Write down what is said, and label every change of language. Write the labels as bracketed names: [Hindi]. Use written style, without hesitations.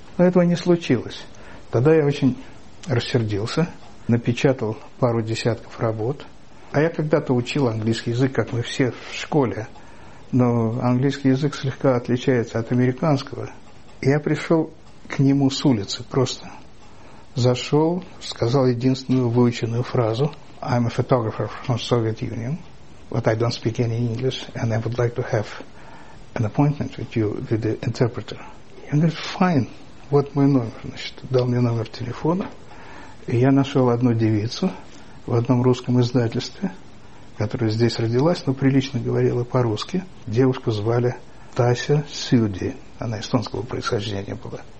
[Russian] Но этого не случилось. Тогда я очень рассердился, напечатал пару десятков работ. А я когда-то учил английский язык, как мы все в школе. Но английский язык слегка отличается от американского. И я пришел к нему с улицы просто. Зашел, сказал единственную выученную фразу. [English] I'm a photographer from Soviet Union, but I don't speak any English, and I would like to have an appointment with you, with the interpreter. [Russian] И он говорит, fine, вот мой номер, значит, дал мне номер телефона. И я нашел одну девицу в одном русском издательстве, которая здесь родилась, но прилично говорила по-русски. Девушку звали Тася Сюди. Она эстонского происхождения была.